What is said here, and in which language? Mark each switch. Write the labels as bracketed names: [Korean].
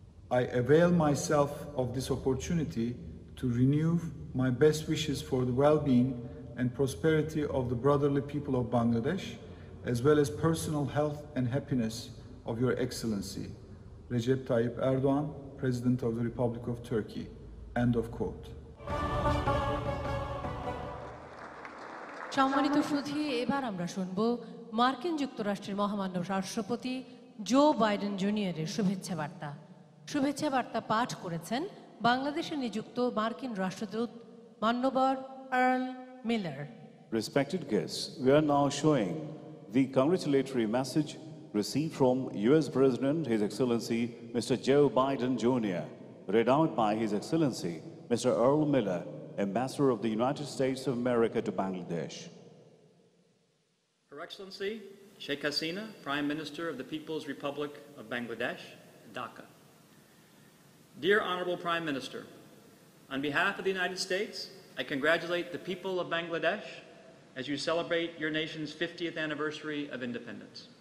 [English] I avail myself of this opportunity to renew my best wishes for the well-being and prosperity of the brotherly people of Bangladesh, as well as personal health and happiness of Your Excellency, Recep Tayyip Erdogan, President of the Republic of Turkey. End of quote. [Bangla] সম্মানিত সুধী, এবার আমরা শুনব মার্কিন যুক্তরাষ্ট্রের মহামান্য রাষ্ট্রপতি Joe Biden জুনিয়রের শুভেচ্ছা বার্তা। শুভেচ্ছা বার্তা পাঠ করেছেন বাংলাদেশে নিযুক্ত মার্কিন রাষ্ট্রদূত মান্যবর Earl Miller. [English] Respected guest, we are now showing the congratulatory message received from US president his excellency mister Joe Biden junior, read out by his excellency mister Earl Miller, Ambassador of the United States of America to Bangladesh. Her Excellency Sheikh Hasina, Prime Minister of the People's Republic of Bangladesh, Dhaka. Dear Honorable Prime Minister, on behalf of the United States, I congratulate the people of Bangladesh as you celebrate your nation's 50th anniversary of independence.